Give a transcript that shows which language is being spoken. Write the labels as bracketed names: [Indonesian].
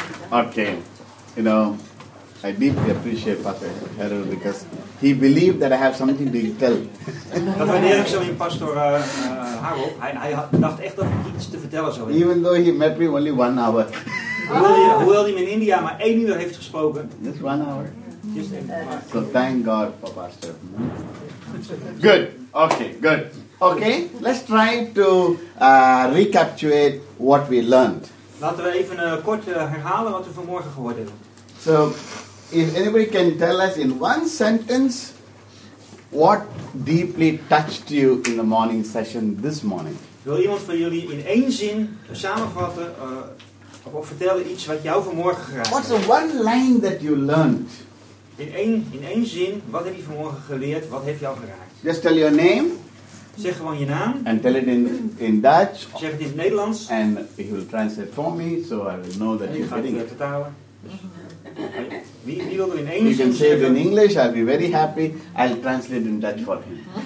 [English] Okay. You know, I deeply appreciate Pastor Harold because he believed that I have something to tell. [Dutch] Dat waardeer ik zo in Pastor Harold. Hij dacht echt dat ik iets te vertellen zou hebben. [English] Even though he met me only 1 hour. [Dutch] Hoewel hij in India maar 1 uur heeft gesproken. [English] Just 1 hour. Just 1 hour. So thank God for Pastor. Good. Okay, good. Okay, let's try to recapitulate what we learned. [Dutch] Laten we even kort herhalen wat we vanmorgen gehoord hebben. [English] So, if anybody can tell us in one sentence what deeply touched you in the morning session this morning. [Dutch] Wil iemand van jullie in één zin samenvatten... Of vertellen iets wat jou vanmorgen geraakt. [English] What's the one line that you learned? [Dutch] In één zin, wat heb je vanmorgen geleerd? Wat heeft jou geraakt? [English] Just tell your name. [Dutch] Zeg gewoon je naam. [English] And tell it in Dutch. [Dutch] Zeg het in het Nederlands. [English] And he will translate for me, so I will know that you're getting it. [Dutch] En je gaat het vertalen. Wie wil er in één [English] you [Dutch] zin? [English] You can say it in English, I'll be very happy. I'll translate in Dutch for him.